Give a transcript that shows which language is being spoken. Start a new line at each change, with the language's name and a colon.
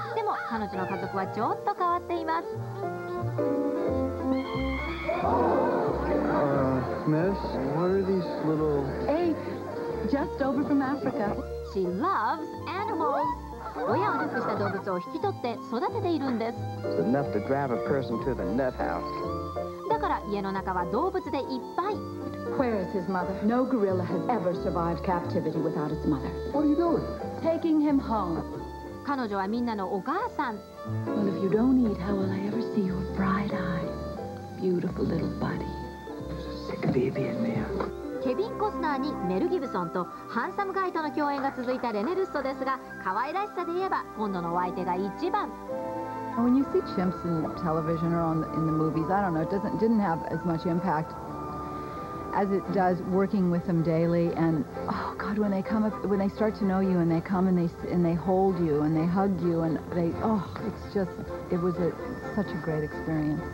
Japanese: でも彼女の家族はちょっと変わっています。
English: Miss, what are these little apes? Just over from Africa. She loves animals.
Japanese: 親を亡くした動物を引き取って育てているんです。
English: It's enough to drive a person to the nut house.
Japanese: だから家の中は動物でいっぱい。
English: Where is his mother? No gorilla has ever survived captivity without its mother. What are you doing? Taking him home.
Japanese: 彼女はみんなのお母さん。
English: Well, if you don't eat, how will I ever see your bright eyes? Beautiful little buddy. Sick of being there.
Japanese: ケビン・コスナーにメル・ギブソンとハンサムガイとの共演が続いたレネ・ルストですが、可愛らしさで言えば今度のお相手が一番。
English: When you see chimps in television or in the movies, I don't know, it didn't have as much impact as it does working with them daily. And oh God, when they come up, when they start to know you and they come and they hold you and they hug you and they, oh, it's just, it was a, such a great experience.